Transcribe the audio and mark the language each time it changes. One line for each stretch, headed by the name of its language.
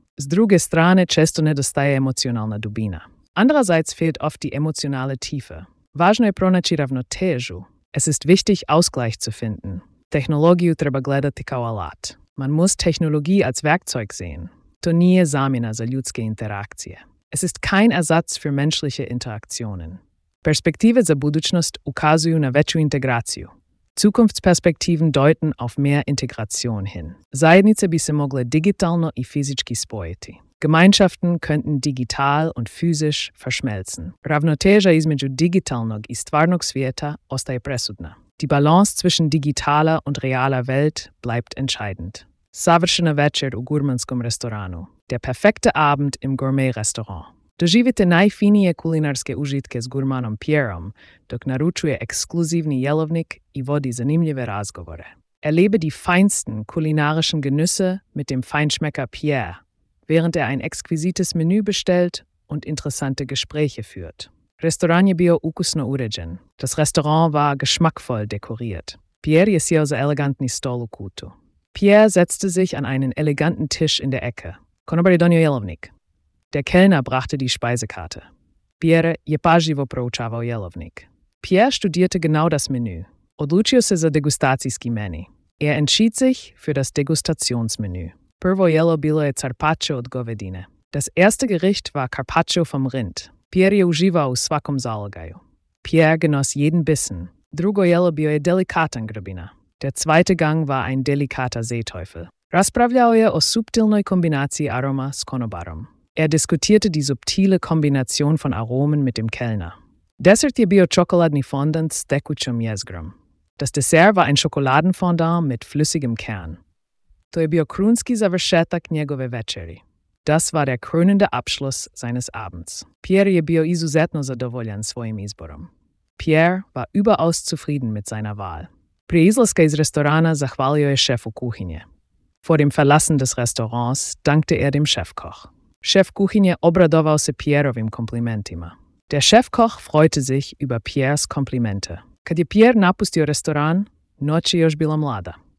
Croatian: S druge strane često nedostaje emocionalna dubina.
German: Andererseits fehlt oft die emotionale Tiefe.
Croatian: Važno je pronaći ravnotežu.
German: Es ist wichtig, Ausgleich zu finden.
Croatian: Technologiju treba gledati kao alat.
German: Man muss Technologie als Werkzeug sehen.
Croatian: To nije zamjena za ljudske interakcije.
German: Es ist kein Ersatz für menschliche Interaktionen.
Croatian: Perspektive za budućnost ukazuju na veću integraciju.
German: Zukunftsperspektiven deuten auf mehr Integration hin.
Croatian: Zajednice bi se mogle digitalno i fizički spojiti.
German: Gemeinschaften könnten digital und physisch verschmelzen.
Croatian: Ravnoteža između digitalnog i stvarnog svijeta ostaje presudna.
German: Die Balance zwischen digitaler und realer Welt bleibt entscheidend.
Croatian: Savršena večer u gurmanskom restoranu.
German: Der perfekte Abend im Gourmet-Restaurant.
Croatian: Doživite najfinije kulinarske užitke s gurmanom Pierom, dok naručuje ekskluzivni jelovnik i vodi zanimljive razgovore.
German: Erlebe die feinsten kulinarischen Genüsse mit dem Feinschmecker Pierre, während ein exquisites Menü bestellt und interessante Gespräche führt.
Croatian: Restoran je bio ukusno uređen.
German: Das Restaurant war geschmackvoll dekoriert.
Croatian: Pierre je sjeo za elegantni stol u kutu.
German: Pierre setzte sich an einen eleganten Tisch in der Ecke.
Croatian: Konobar je donio jelovnik.
German: Der Kellner brachte die Speisekarte.
Croatian: Pierre je pažljivo proučavao jelovnik.
German: Pierre studierte genau das Menü.
Croatian: Odlučio se za degustacijski meni.
German: Entschied sich für das Degustationsmenü.
Croatian: Prvo jelo bilo je carpaccio od govedine.
German: Das erste Gericht war carpaccio vom Rind.
Croatian: Pierre je uživao u svakom zalogaju.
German: Pierre genoss jeden Bissen.
Croatian: Drugo jelo bio je delikatan grbina.
German: Der zweite Gang war ein delikater Seeteufel.
Croatian: Raspravljao je o subtilnoj kombinaciji aroma s konobarom.
German: Diskutierte die subtile Kombination von Aromen mit dem Kellner.
Croatian: Dessert je bio čokoladni fondant s tekućom jezgrom.
German: Das Dessert war ein Schokoladenfondant mit flüssigem Kern.
Croatian: To je bio krunski završetak njegove večeri.
German: Das war der krönende Abschluss seines Abends.
Croatian: Pierre je bio izuzetno zadovoljan svojim izborom.
German: Pierre war überaus zufrieden mit seiner Wahl.
Croatian: Prije izlaska iz restorana zahvalio je šefu kuhinje.
German: Vor dem Verlassen des Restaurants dankte dem Chefkoch.
Croatian: Chef Kuchinje obradoval se Pierovim komplimentima.
German: Der Chefkoch freute sich über Pierres Komplimente.
Croatian: Kad je Pierre napustio restoran, noć je još bila mlada.